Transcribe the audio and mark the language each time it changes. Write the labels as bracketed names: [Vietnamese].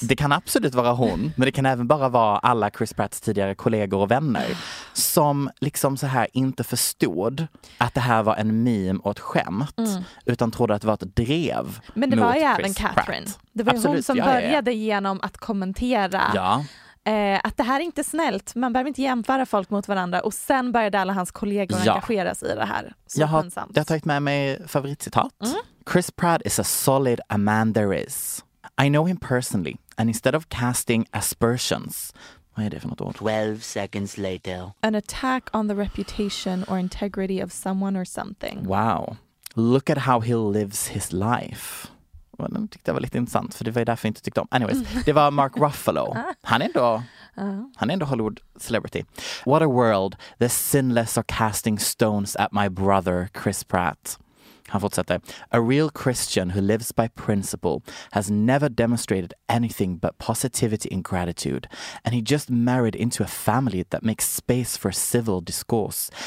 [Swedish] Det kan absolut vara hon, men det kan även bara vara alla Chris Pratts tidigare kollegor och vänner som liksom så här inte förstod att det här var en meme och ett skämt, utan trodde att det var ett drev mot Chris. Men det var ju även Chris Catherine. Pratt. Det var absolut, hon som började genom att kommentera. Ja. Att det här är inte snällt. Man behöver inte jämföra folk mot varandra. Och sen började alla hans kollegor engageras i det här. Så jag har tagit med mig favoritcitat. [English] Chris Pratt is a solid a man there is. I know him personally. And instead of casting aspersions. [Swedish] Vad är det för något ord? [English] 12 seconds later. An attack on the reputation or integrity of someone or something. Wow. Look at how he lives his life. [Swedish] Men jag tyckte det var lite intressant, för det var ju därför jag inte tyckte om. Anyways, det var Mark Ruffalo. Han är ändå Hollywood celebrity. [English] What a world. The sinless are casting stones at my brother, Chris Pratt. [Swedish] Han fortsätter. [English] A real Christian who lives by principle has never demonstrated anything but positivity and gratitude. And he just married into a family that makes space for civil discourse.